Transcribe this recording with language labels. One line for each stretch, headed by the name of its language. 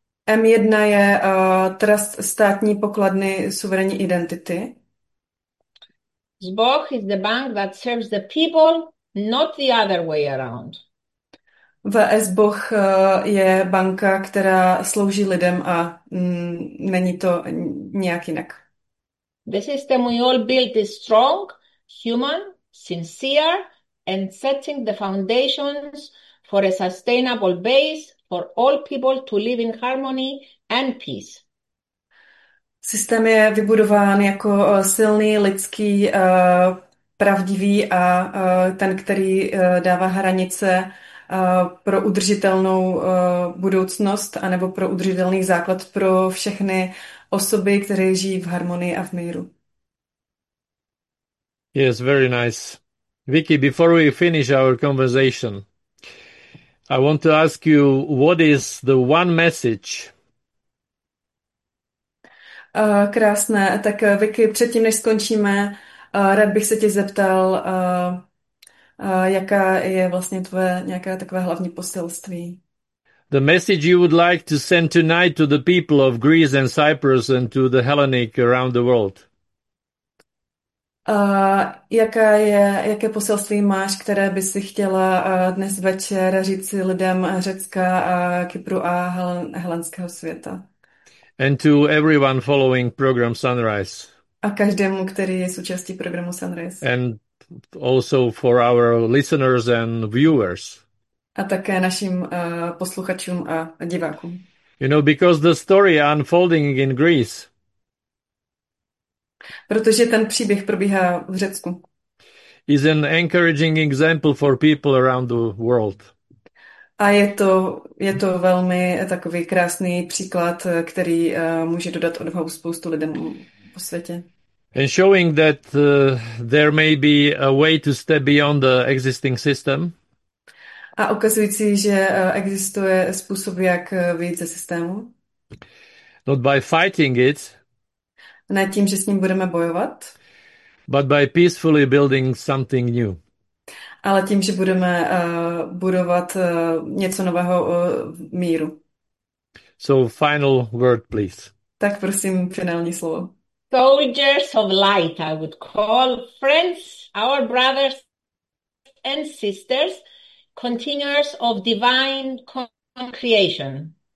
Czech: M1 je trust státní pokladny suverénní identity.
English: ZBOH is the bank that serves the people, not the other way around.
Czech: VSBOH je banka, která slouží lidem a není to nějak jinak.
English: The system we all built is strong, human, sincere, and setting the foundations for a sustainable base for all people to live in harmony and peace.
Czech: Systém je vybudován jako silný, lidský, pravdivý a ten, který dává hranice pro udržitelnou budoucnost anebo pro udržitelný základ pro všechny osoby, které žijí v harmonii a v míru.
English: Yes, very nice. Vicky, before we finish our conversation, I want to ask you, what is the one message?
Czech: Krásné. Tak Vicky, předtím, než skončíme, rád bych se tě zeptal, jaká je vlastně tvoje nějaké takové hlavní poselství.
English: The message you would like to send tonight to the people of Greece and Cyprus and to the Hellenic around the world.
Czech: Jaké poselství máš, které by si chtěla dnes večer říci lidem Řecka, Kypru a helenského světa?
English: And to everyone following program Sunrise.
Czech: A každému, který je součástí programu Sunrise.
English: And also for our listeners and viewers.
Czech: A také našim posluchačům a divákům.
English: You know, because the story unfolding in Greece.
Czech: Protože ten příběh probíhá v Řecku.
English: Is an encouraging example for people around the world.
Czech: A je to velmi takový krásný příklad, který může dodat odvahu spoustu lidem po světě.
English: And showing that there may be a way to step beyond the existing system.
Czech: A ukazující, že existuje způsob, jak vyjít ze systému.
English: Not by fighting it.
Czech: Ne tím, že s ním budeme bojovat.
English: But by peacefully building something new.
Czech: Ale tím, že budeme budovat něco nového v míru.
English: So final word, please.
Czech: Tak prosím, finální slovo.
English: Soldiers of light, I would call. Friends, our brothers and sisters, continuers of divine creation.